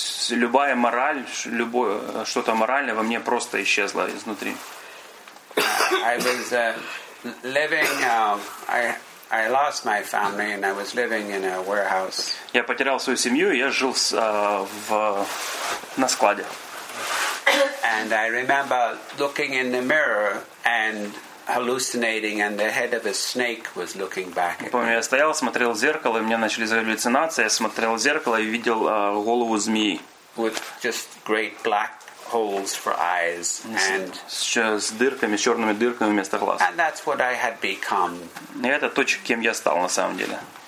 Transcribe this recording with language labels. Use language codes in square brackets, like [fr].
[ru] Любая мораль, любое что-то моральное во мне просто исчезло изнутри. [en] I was living I lost my family and I was living in a warehouse. [ru] Я потерял свою семью, и я жил на складе. [en] And I remember looking in the mirror and hallucinating, and the head of a snake was looking back at me. [ru] Помню, я стоял, смотрел в зеркало, и у меня начались галлюцинации. Я смотрел в зеркало и видел голову змеи. [en] With just great black holes for eyes and [ru] с дырками, с черными дырками вместо глаз. [en] And that's what I had become. [ru] И это то, кем я стал на самом деле.